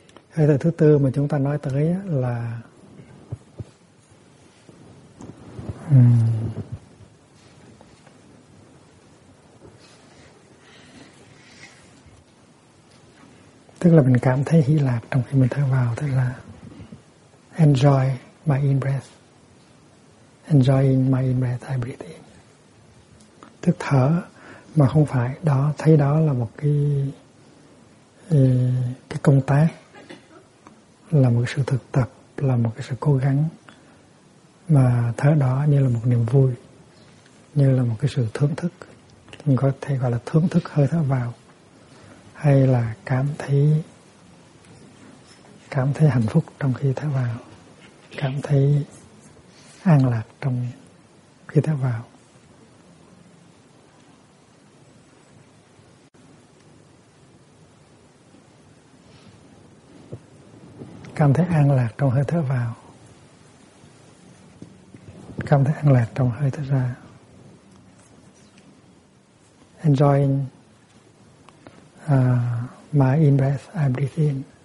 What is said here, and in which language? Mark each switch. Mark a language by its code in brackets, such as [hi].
[vi] Hơi thở thứ tư mà chúng ta nói tới là tức là mình cảm thấy hỷ lạc trong khi mình thở vào, tức là [en] enjoy my in-breath. Enjoying my in-breath, I breathe in. [vi] Tức thở mà không phải đó, thấy đó là một cái công tác, là một sự thực tập, là một sự cố gắng. Mà thở đó như là một niềm vui, như là một sự thưởng thức. Mình có thể gọi là thưởng thức hơi thở vào, hay là cảm thấy hạnh phúc trong khi thở vào, cảm thấy an lạc trong khi thở vào. Cảm thấy an lạc trong hơi thở vào, cảm thấy an lạc trong hơi thở ra. [en] Enjoying my in-breath, I breathe in.